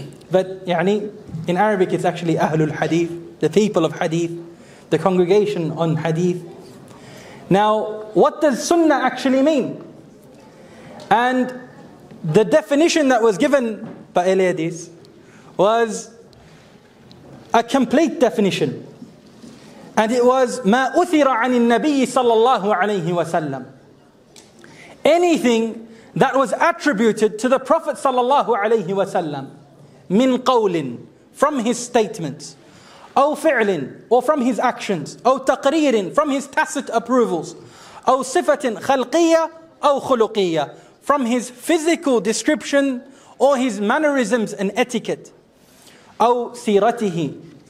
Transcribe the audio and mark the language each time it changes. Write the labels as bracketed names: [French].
[English] But in Arabic, it's actually Ahlul Hadith, the people of Hadith, the congregation on Hadith. Now, what does Sunnah actually mean? And the definition that was given by Ahlul Hadith was a complete definition. And it was [Arabic] مَا أُثِرَ عَنِ النَّبِيِّ صَلَّى اللَّهُ عَلَيْهِ وَسَلَّمْ. [English] Anything that was attributed to the Prophet صلى الله عليه وسلم [Arabic] مِنْ قَوْلٍ, [English] from his statements, [Arabic] أو فِعْلٍ, [English] or from his actions, [Arabic] أو تَقْرِيرٍ, [English] from his tacit approvals, [Arabic] أو صِفَةٍ خَلْقِيَّ أو خُلُقِيَّ, [English] from his physical description, or his mannerisms and etiquette, [Arabic] أو سِيرَتِهِ,